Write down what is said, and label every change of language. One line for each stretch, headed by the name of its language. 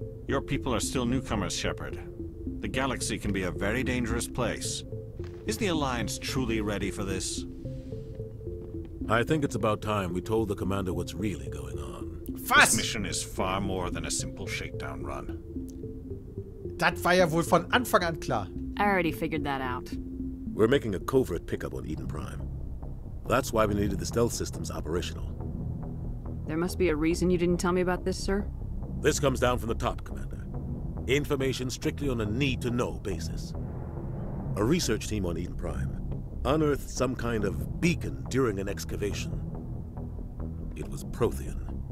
English: Your people are still newcomers, Shepard. The galaxy can be a very dangerous place. Is the Alliance truly ready for this? I think it's about time we told the Commander what's really going on.
German: Was?
English: This mission is far more than a simple shakedown run.
German: Das war ja wohl von Anfang an klar.
English: I already figured that out. We're making a covert pickup on Eden Prime. That's why we needed the stealth systems operational. There must be a reason you didn't tell me about this, sir. This comes down from the top, Commander. Information strictly on a need-to-know basis. A research team on Eden Prime unearthed some kind of beacon during an excavation. It was Prothean.